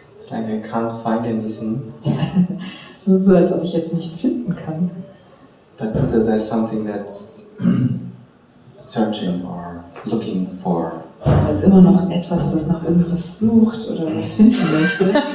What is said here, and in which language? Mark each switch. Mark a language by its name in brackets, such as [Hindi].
[English] Like I can't find anything. [German] Das ist so, als ob ich jetzt nichts finden kann. [English] But still there's something that's searching or looking for. [German] Da ist immer noch etwas, das nach irgendwas sucht oder was finden möchte.